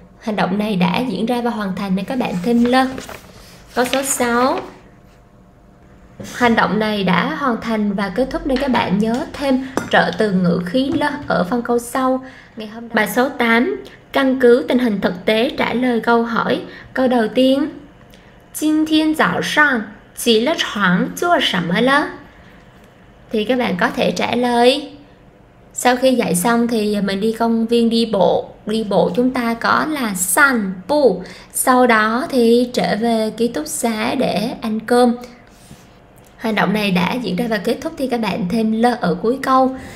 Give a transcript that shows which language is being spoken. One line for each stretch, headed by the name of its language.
Vietnamese: Hành động này đã diễn ra và hoàn thành nên các bạn thêm lơ. Câu số 6. Hành động này đã hoàn thành và kết thúc nên các bạn nhớ thêm trợ từ ngữ khí lơ ở phân câu sau. Bài số 8. Căn cứ tình hình thực tế trả lời câu hỏi. Câu đầu tiên,
Chinese: 今天早上起了床做什么了?
Vietnamese: thì các bạn có thể trả lời. Sau khi dạy xong thì mình đi công viên đi bộ. Đi bộ chúng ta có là 散步. Sau đó thì trở về ký túc xá để ăn cơm. Hành động này đã diễn ra và kết thúc thì các bạn thêm lơ ở cuối câu.